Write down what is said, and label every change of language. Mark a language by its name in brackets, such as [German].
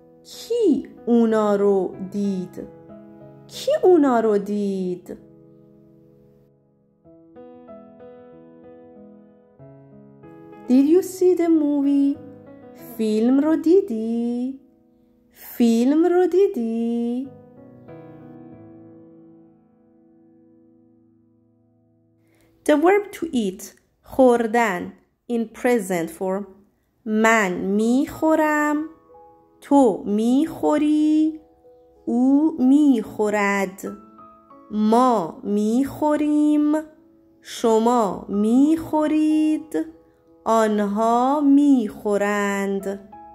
[Persian] کی اونا رو دید؟ کی اونا رو دید؟ [English] Did you see the movie? [Persian] فیلم رو دیدی؟ فیلم رو دیدی؟ [English] The verb to eat, خوردن, in present form. [Persian] من میخورم, تو میخوری, او میخورد. ما میخوریم, شما میخورید, آنها میخورند.